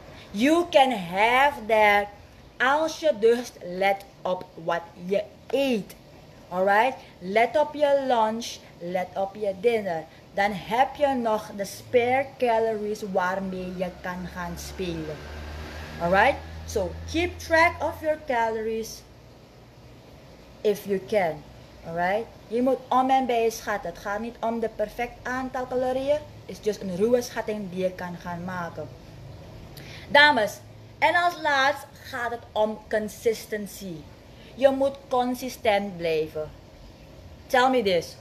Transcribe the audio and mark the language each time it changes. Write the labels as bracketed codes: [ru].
[en] You can have that [nl] als je dus let op wat je eet. Alright? Let op je lunch, let op je dinner. Dan heb je nog de spare calories waarmee je kan gaan spelen. [en] Alright? So, keep track of your calories if you can. Alright? [nl] Je moet om en bij schatten. Het gaat niet om de perfect aantal calorieën. Het is just een ruwe schatting die je kan gaan maken. Dames, en als laatst gaat het om consistency. Je moet consistent blijven. [en] Tell me this.